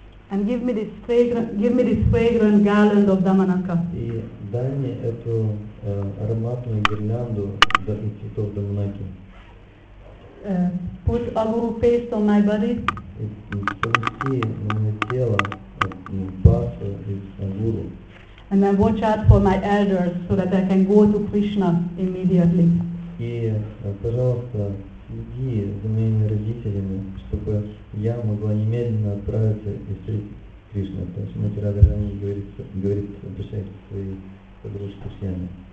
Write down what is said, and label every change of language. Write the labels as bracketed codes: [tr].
[en] And give me this fragrant garland of Dhammanaka. [ru] И дай мне эту ароматную гирлянду цветов Дамманаки. [en] Put aguru paste on my body. [ru] Помести на мое тело пасу из агуру. [en] And then watch out for my elders so that I can go to Krishna immediately. [ru] И, пожалуйста, следи за моими родителями, чтобы я могла немедленно отправиться и встретить Кришну. Потому что Матерада Рани говорит, обращайся к своей подружке Шьяме.